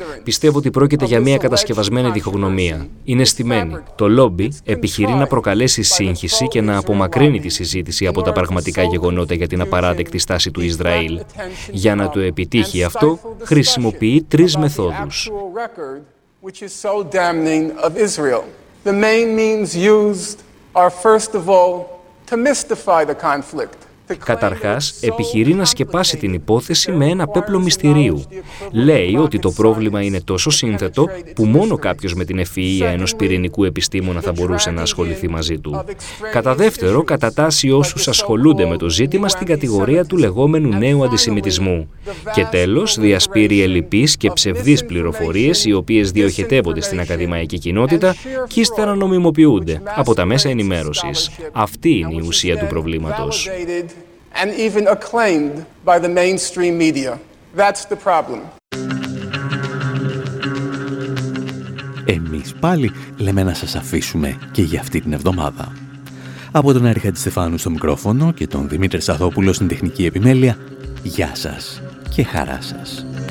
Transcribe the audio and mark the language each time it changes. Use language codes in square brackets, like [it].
[el] Πιστεύω ότι πρόκειται για μια κατασκευασμένη διχογνωμία. Είναι στημένη. Το λόμπι επιχειρεί να προκαλέσει σύγχυση και να απομακρύνει τη συζήτηση από τα πραγματικά γεγονότα για την απαράδεκτη στάση του Ισραήλ. Για να το επιτύχει αυτό, χρησιμοποιεί τρεις μεθόδους. [en] The main means used are first of all to mystify the conflict. [el] Καταρχάς, επιχειρεί να σκεπάσει την υπόθεση με ένα πέπλο μυστηρίου. Λέει ότι το πρόβλημα είναι τόσο σύνθετο που μόνο κάποιος με την ευφυΐα ενός πυρηνικού επιστήμονα θα μπορούσε να ασχοληθεί μαζί του. Κατά δεύτερο, κατατάσσει όσους ασχολούνται με το ζήτημα στην κατηγορία του λεγόμενου νέου αντισημιτισμού. Και τέλος, διασπείρει ελλιπείς και ψευδείς πληροφορίες οι οποίες διοχετεύονται στην ακαδημαϊκή κοινότητα και ύστερα νομιμοποιούνται από τα μέσα ενημέρωσης. Αυτή είναι η ουσία του προβλήματος. [en] And even acclaimed by the mainstream media. That's the problem. [el] Εμείς πάλι λέμε να σας αφήσουμε και για αυτή την εβδομάδα. Από τον Άρη Χατζηστεφάνου στο μικρόφωνο και τον Δημήτρη Σαθόπουλο στην τεχνική επιμέλεια, γεια σας και χαρά σας.